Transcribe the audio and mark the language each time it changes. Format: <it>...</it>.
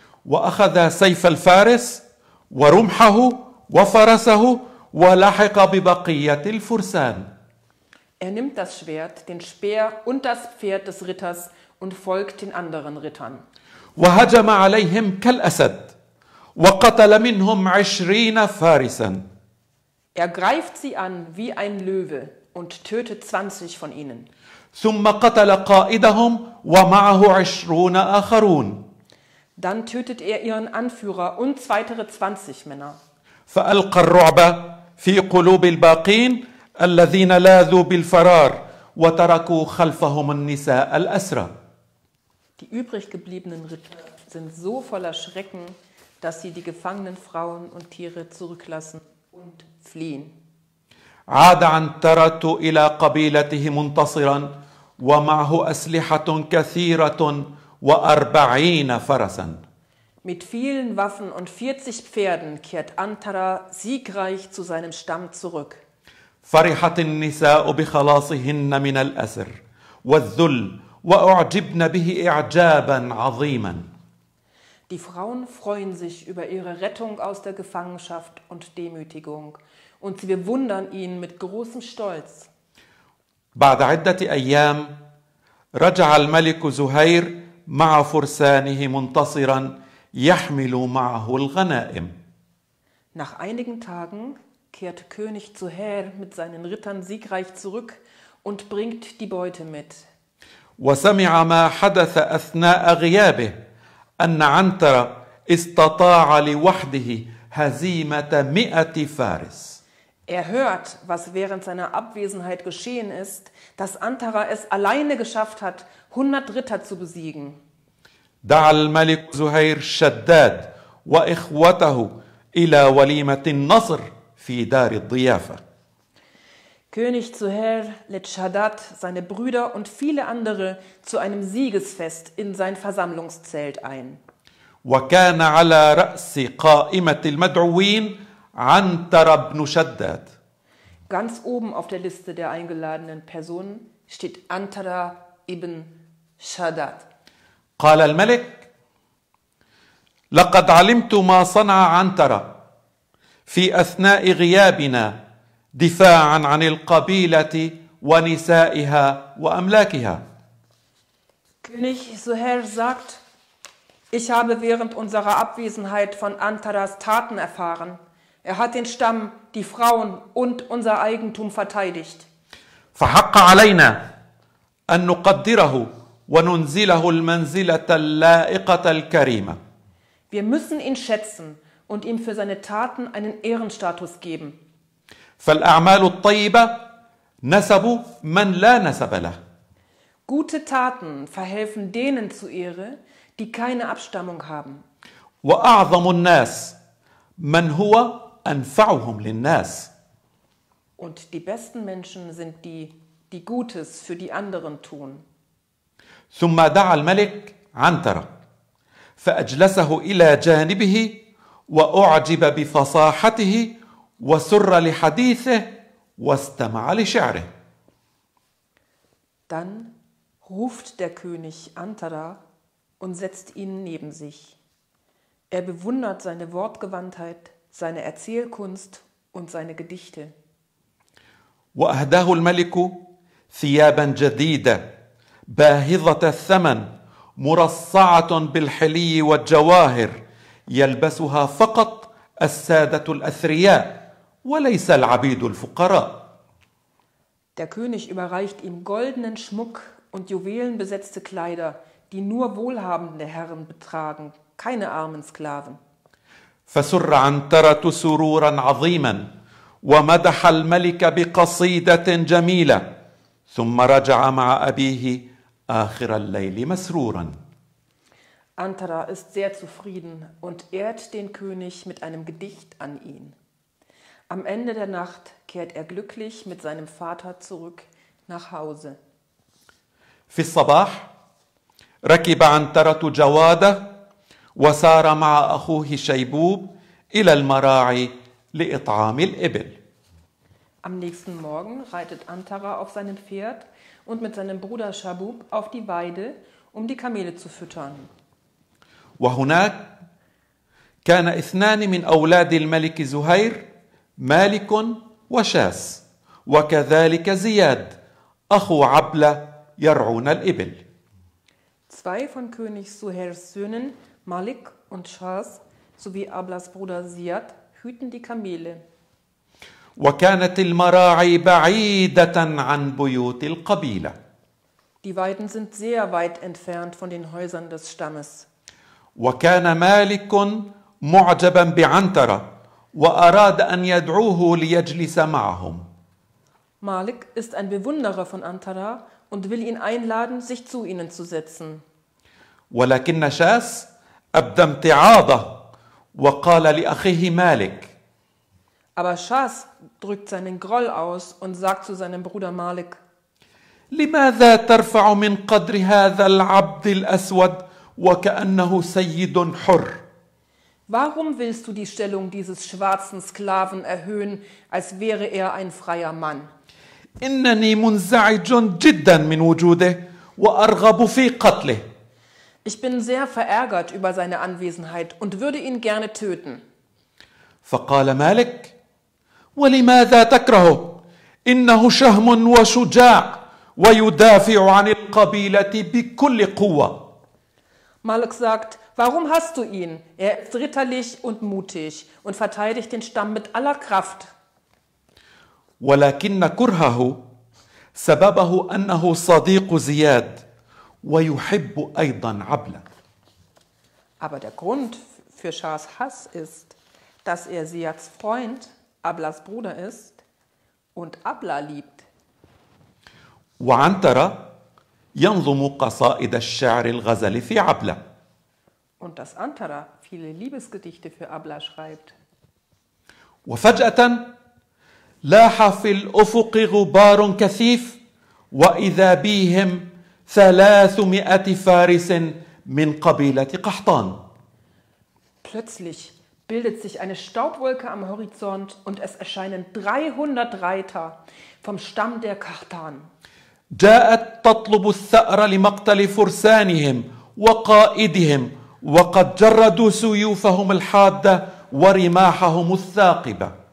<ar>وأخذ سيف الفارس ورمحه وفرسه ولحق ببقية الفرسان.</ar> <de>Er nimmt das Schwert, den Speer und das Pferd des Ritters und folgt den anderen Rittern.</de> <ar>وهجم عليهم كالأسد وقتل منهم 20 فارسا.</ar> <de>Er greift sie an wie ein Löwe und tötet 20 von ihnen.</de> <ar>ثم قتل قائدهم ومعه 20 آخرون.</ar> <de>Dann tötet er ihren Anführer und weitere 20 Männer.</de> <ar>فألقى الرعب في قلوب الباقين الذين لاذوا بالفرار وتركوا خلفهم النساء الأسرى.</ar> <de>Die übrig gebliebenen Ritter sind so voller Schrecken, dass sie die gefangenen Frauen und Tiere zurücklassen und fliehen.</de> <ar>عاد عنترت إلى قبيلته منتصرا ومعه أسلحة كثيرة وأربعين فرسا.</ar> <de>Mit vielen Waffen und 40 Pferden kehrt Antara siegreich zu seinem Stamm zurück.</de> <ar>فرحت النساء بخلاصهن من الأسر والذل وأعجبن به إعجابا عظيما.</ar> <de>Die Frauen freuen sich über ihre Rettung aus der Gefangenschaft und Demütigung und sie bewundern ihn mit großem Stolz.</de> <ar>بعد عدة أيام رجع الملك زهير مع فرسانه منتصرا يحمل معه الغنائم.</ar> <de>Nach einigen Tagen kehrt König Zuhair mit seinen Rittern siegreich zurück und bringt die Beute mit.</de> <ar>وسمع ما حدث أثناء غيابه أن عنترة استطاع لوحده هزيمة 100 فارس.</ar> <de>Er hört, was während seiner Abwesenheit geschehen ist, dass Antara es alleine geschafft hat, 100 Ritter zu besiegen.</de> <ar>دعا الملك زهير شداد وإخوته إلى وليمة النصر في دار الضيافة.</ar> <de>König Zuhair lädt Shaddad, seine Brüder und viele andere zu einem Siegesfest in sein Versammlungszelt ein.</de> <ar>وكان على رأس قائمة المدعوين عنترة بن شداد.</ar> <de>Ganz oben auf der Liste der eingeladenen Personen steht Antara ibn Shaddad.</de> <ar>قال الملك: لقد علمت ما صنع عنترة في أثناء غيابنا دفاعا عن القبيلة ونسائها وأملاكها.</ar> <de>König Zuhair sagt: Ich habe während unserer Abwesenheit von Antaras Taten erfahren. Er hat den Stamm, die Frauen und unser Eigentum verteidigt.</de> <ar>فحق علينا أن نقدره وننزله المنزلة اللائقة الكريمة.</ar> <de>Wir müssen ihn schätzen und ihm für seine Taten einen Ehrenstatus geben.</de> <ar>فالأعمال الطيبة نسب من لا نسب له.</ar> <de>Gute Taten verhelfen denen zu Ehre, die keine Abstammung haben.</de> <ar>وأعظم الناس من هو أنفعهم للناس.</ar> <de>Und die besten Menschen sind die, die Gutes für die anderen tun.</de> <ar>ثم دعا الملك عنترة فأجلسه إلى جانبه وأعجب بفصاحته وسر لحديثه واستمع لشعره.</ar> <de>Dann ruft der König Antara und setzt ihn neben sich. Er bewundert seine Wortgewandtheit, seine Erzählkunst und seine Gedichte.</de> <ar>وأهداه الملك ثيابا جديدة باهظة الثمن مرصعة بالحلي والجواهر يلبسها فقط السادة الأثرياء وليس العبيد الفقراء.</ar> <de>Der König überreicht ihm goldenen Schmuck und juwelenbesetzte Kleider, die nur wohlhabende Herren betragen, keine armen Sklaven.</de> <ar>فسر عنترة سرورا عظيما ومدح الملك بقصيدة جميلة ثم رجع مع أبيه آخر الليل مسرورا.</ar> <de>Antara ist sehr zufrieden und ehrt den König mit einem Gedicht an ihn. Am Ende der Nacht kehrt er glücklich mit seinem Vater zurück nach Hause.</de> <ar>في الصباح ركب عنترة جوادة وسار مع أخوه شيبوب إلى المراعي لإطعام الإبل.</ar> <de>Am nächsten Morgen reitet Antara auf seinem Pferd und mit seinem Bruder Shabub auf die Weide, um die Kamele zu füttern.</de> <ar>وهناك كان اثنان من أولاد الملك زهير مالك وشاس وكذلك زياد أخو عبلة يرعون الإبل.</ar> <de>Zwei von König Zuhairs Söhnen, Malik und Shas, sowie Ablas Bruder Ziyad, hüten die Kamele.</de> <ar>وكانت المراعي بعيدة عن بيوت القبيلة.</ar> <de>Die Weiden sind sehr weit entfernt von den Häusern des Stammes.</de> <ar>وكان مالك معجبا بعنترة وأراد أن يدعوه ليجلس معهم.</ar> <de>Malik ist ein Bewunderer von Antara und will ihn einladen, sich zu ihnen zu setzen.</de> <ar>ولكن شاس أبدى امتعاضه وقال لأخيه مالك:</ar> <de>Aber Schas drückt seinen Groll aus und sagt zu seinem Bruder Malik:</de> <ar>لماذا ترفع من قدر هذا العبد الأسود وكأنه سيد حر؟</ar> <de>Warum willst du die Stellung dieses schwarzen Sklaven erhöhen, als wäre ein freier Mann?</de> <ar>إنني منزعج جدا من وجوده وأرغب في قتله.</ar> <de>Ich bin sehr verärgert über seine Anwesenheit und würde ihn gerne töten.</de> <ar>فقال مالك: ولماذا تكرهه؟ إنه شهم وشجاع ويدافع عن القبيلة بكل قوة.</ar> <de>Malik sagt: Warum hast du ihn? Ist ritterlich und mutig und verteidigt den Stamm mit aller Kraft.</de> <ar>ولكن كرهه سببه أنه صديق زياد ويحب أيضا عبلا.</ar> <de>Aber der Grund für Schahs Hass ist, dass Ziyads Freund Ablas Bruder ist und Abla liebt.</de> <ar>وعنترة ينظم قصائد الشعر الغزلي في عبلة.</ar> <de>Und dass Antara viele Liebesgedichte für Abla schreibt.</de> <ar>وفجأة لاح في الأفق غبار كثيف وإذا بهم 300 فارس من قبيلة قحطان.</ar> <de>Plötzlich bildet sich eine Staubwolke am Horizont und es erscheinen 300 Reiter vom Stamm der Qahtan.</de> <ar>جاءت تطلب الثأر لمقتل فرسانهم وقائدهم وقد جردوا سيوفهم الحادة ورماحهم الثاقبة.</ar>